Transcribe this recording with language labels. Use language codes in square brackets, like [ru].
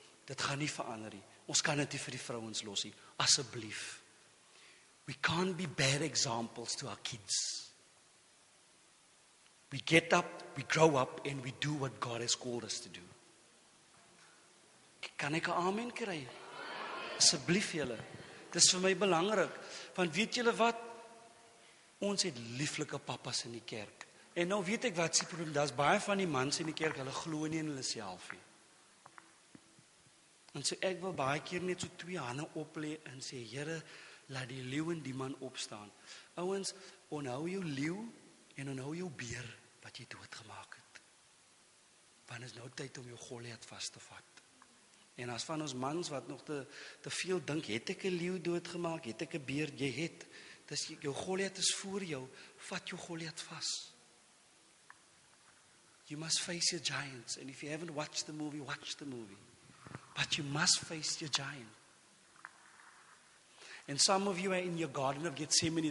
[af] Dit gaan nie verander nie. Ons kan dit nie vir die vrouens los nie. Asseblief. [en] We can't be bad examples to our kids. We get up, we grow up, and we do what God has called us to do. [af] Kan ek 'n amen kry? Asseblief julle. Dis vir my belangrik. Want weet julle wat? Ons het lieflike papas in die kerk. En nou weet ek wat se probleem. Daar's baie van die mans in die kerk, hulle glo nie in hulle self nie. En so ek wil baie keer net so 2 hande oplê en sê, Here, laat die leeu en die man opstaan. Ouens, onhou jou leeu en onhou jou beer wat jy doodgemaak het. Want is nou tyd om jou Goliat vas te vat. En as van ons mans wat nog te veel dink, het ek 'n leeu doodgemaak, het ek 'n beer, jy het. Dis jou Goliat is voor jou, vat jou Goliat vas. [en] You must face your giants, and if you haven't watched the movie, watch the movie. But you must face your giant. And some of you are in your garden of Gethsemane.